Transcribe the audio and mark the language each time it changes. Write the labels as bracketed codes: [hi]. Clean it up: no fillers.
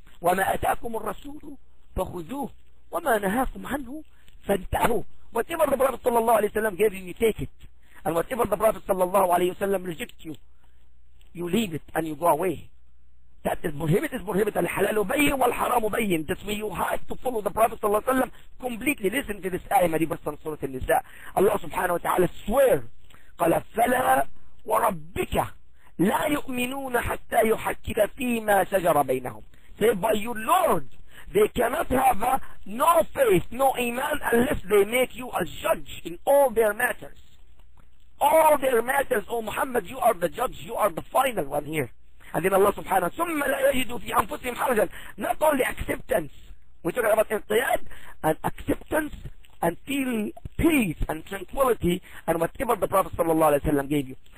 [ar] وَمَا أَتَاكُمُ الرَّسُولُ فَخُذُوهُ وَمَا نَهَاكُمْ عَنْهُ فَانْتَهُوا. [en] Whatever the Prophet sallallahu alayhi wa sallam gave you, you take it. And whatever the Prophet sallallahu alayhi wa sallam reject you leave it and you go away. That is prohibit al-halalu bayin wal-haramu bayin. That's why you have to follow the Prophet sallallahu alayhi wa sallam. Completely listen to this ayah, Marie Bursan Surah Al-Nisa. Allah subhanahu wa ta'ala swear, [ar] قَلَ فَلَا وَرَبِّكَ لَا يُؤْمِنُونَ حَتَّى يُحَكِّكَ فِي مَا شَجَرَ بَيْنَهُمْ. [en] Say, by your Lord, they cannot have no faith, no iman, unless they make you a judge in all their matters. All their matters, oh Muhammad, you are the judge, you are the final one here. And then Allah subhanahu wa ta'ala, [ar] ثُمَّ لَا يَجِدُوا فِي أَنفُسِهِمْ حَرَجًا. [en] Not only acceptance, we talk about inqiyad, and acceptance, and feeling peace and tranquility, and whatever the Prophet sallallahu alayhi wa sallam gave you.